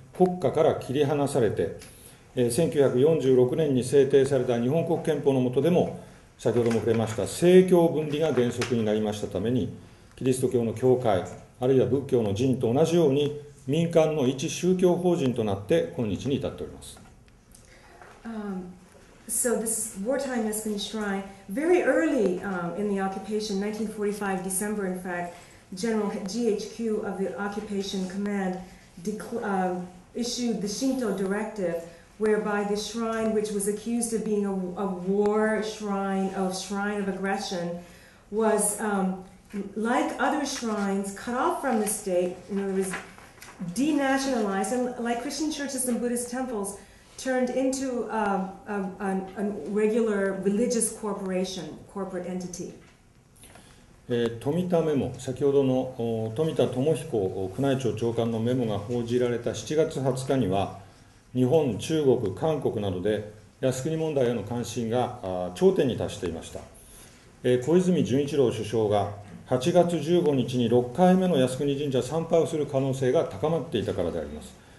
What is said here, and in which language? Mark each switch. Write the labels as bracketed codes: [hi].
[ja] 国家から切り離されて、1946年に制定された日本国憲法の下でも、先ほども触れました政教分離が原則になりましたために、キリスト教の教会あるいは仏教の寺院と同じように民間の一宗教法人となって今日に至っております。 [en] So this wartime Nesmin Shrine, very early in the occupation, 1945 December in fact, General GHQ of the Occupation Command issued the Shinto directive whereby the shrine, which was accused of being a war shrine, a shrine of aggression, was like other shrines, cut off from the state, in other words, denationalized, and like Christian churches and Buddhist temples,turned into a regular religious corporation, corporate entity. [ja] 富田メモ、先ほどの富田智彦宮内庁長官のメモが報じられた7月20日には、日本、中国、韓国などで靖国問題への関心が頂点に達していました。小泉純一郎首相が8月15日に6回目の靖国神社参拝をする可能性が高まっていたからであります。